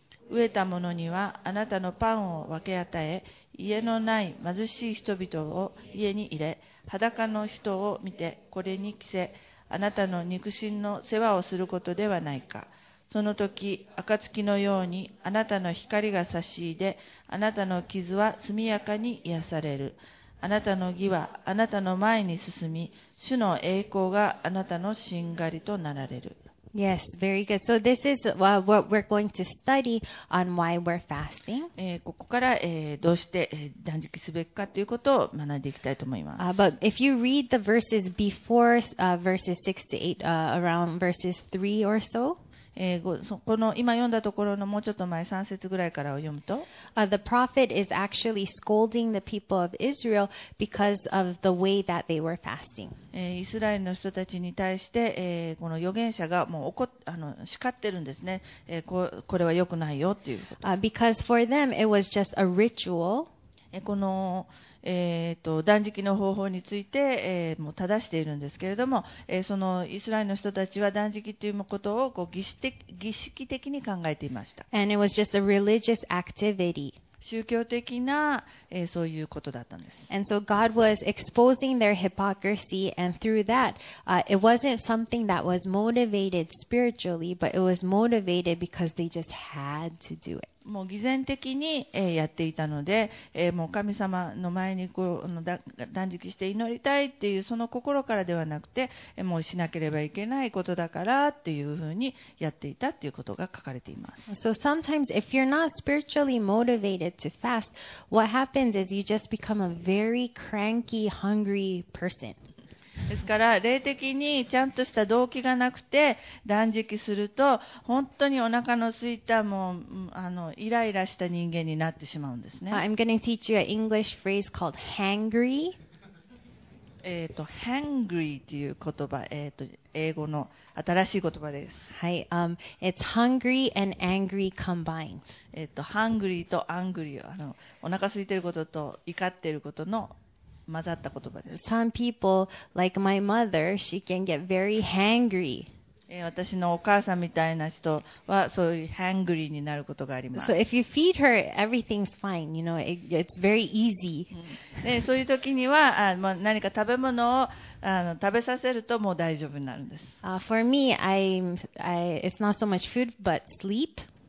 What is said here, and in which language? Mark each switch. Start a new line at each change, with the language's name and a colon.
Japanese: 飢えた者にはあなたのパンを分け与え、家のない貧しい人々を家に入れ、裸の人を見てこれに着せ、あなたの肉親の世話をすることではないか。その時、暁のようにあなたの光が差し入れ、あなたの傷は速やかに癒される。あなたの義はあなたの前に進み、主の栄光があなたのしんがりとなられる。
English: Yes, very good. So this is what we're going to study on why we're fasting.
Japanese: ここから、どうして、断食すべきかということを学んでいきたいと思います。
English: But if you read the verses before verses 6 to 8, around verses 3 or so,
Japanese: この今読んだところのもうちょっと前3節ぐらいからを読むと、
English: The prophet is actually scolding the people of Israel because of the way that they were fasting.
Japanese: イスラエルの人たちに対して、この預言者がもう叱ってるんですね。これは良くないよっていうこと。
English: Because for them it was just a ritual.
Japanese: この断食の方法について、もう正しているんですけれども、そのイスラエルの人たちは断食ということをこう儀式的に考えていました。
English: And it was just a religious activity.
Japanese: 宗教的な、そういうことだったんです。
English: And so God was exposing their hypocrisy, and through that, it wasn't something that was motivated spiritually, but it was motivated because they just had to do it.
Japanese: もう偽善的にやっていたので、もう神様の前にこう断食して祈りたいっていうその心からではなくて、もうしなければいけないことだからっていうふうにやっていたっていうことが書かれています。
English: So sometimes if you're not spiritually motivated to fast, what happens is you just become a very cranky, hungry person.
Japanese: ですから霊的にちゃんとした動機がなくて断食すると本当にお腹の空いたもうイライラした人間になってしまうんですね。
English: I'm going to teach you an English phrase called hangry.
Japanese: hangry という言葉、英語の新しい言葉です。
English: はい、it's hungry and angry combined.
Japanese: hungry と angry、お腹空いてることと怒っていることの混ざった言葉です。
English: Some people, like my mother, she can get very hangry.
Japanese: 私のお母さんみたいな人はそういう hangry になることがあります。
English: So if you feed her, everything's fine. You know, it's very easy.
Japanese: で、そういう時には、まあ、何か食べ物を食べさせるともう大丈夫になるんです。
English: For me, it's not so much food, but sleep.